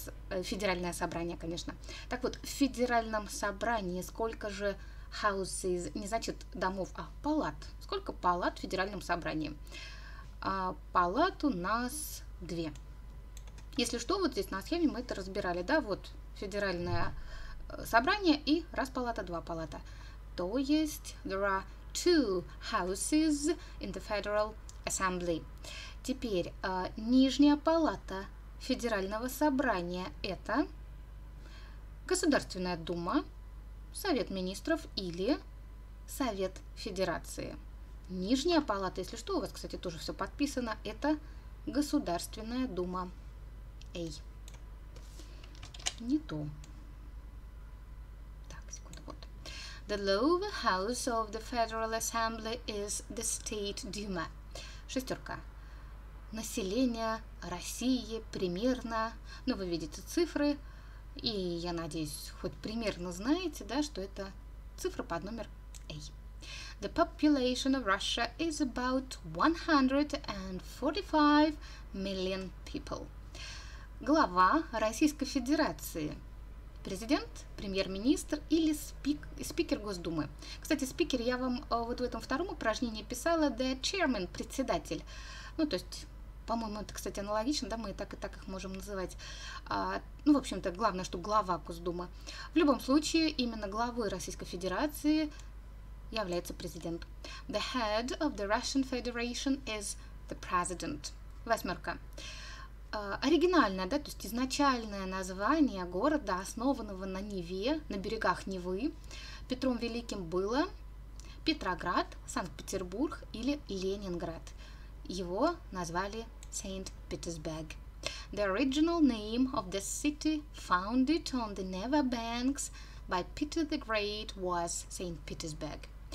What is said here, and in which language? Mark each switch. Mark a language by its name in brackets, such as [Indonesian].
[Russian] В федеральном собрании сколько же houses, не значит домов, а палат. Сколько палат в федеральном собрании? Палат у нас две. Если что, вот здесь на схеме мы это разбирали, да, вот федеральное собрание и раз палата, два палата. То есть [English] there are two houses in the Federal Assembly. [Russian] Теперь нижняя палата федерального собрания – это Государственная Дума, Совет Министров или Совет Федерации. Нижняя палата, если что, у вас, кстати, тоже все подписано, это Государственная Дума. Эй, не то. Так, секунду, вот. [English] The lower house of the Federal Assembly is the State Duma. [Russian] Шестерка. Население России примерно, ну, вы видите цифры, и я надеюсь, хоть примерно знаете, да, что это цифра под номер A. [English] The population of Russia is about 145 million people. [Russian] Глава Российской Федерации. Президент, премьер-министр или спикер Госдумы. Кстати, спикер я вам вот в этом втором упражнении писала the chairman, председатель. Ну, то есть, по-моему, это, кстати, аналогично, да, мы так и так их можем называть. Ну, в общем-то, главное, что глава Госдумы. В любом случае, именно главой Российской Федерации является президент. [English] The head of the Russian Federation is the president. [Russian] Восьмерка. Оригинальное, да, то есть изначальное название города, основанного на Неве, на берегах Невы, Петром Великим было Петроград, Санкт-Петербург или Ленинград. Его назвали Saint Petersburg. [English] The original name of the city founded on the Neva banks by Peter the Great was Saint Petersburg.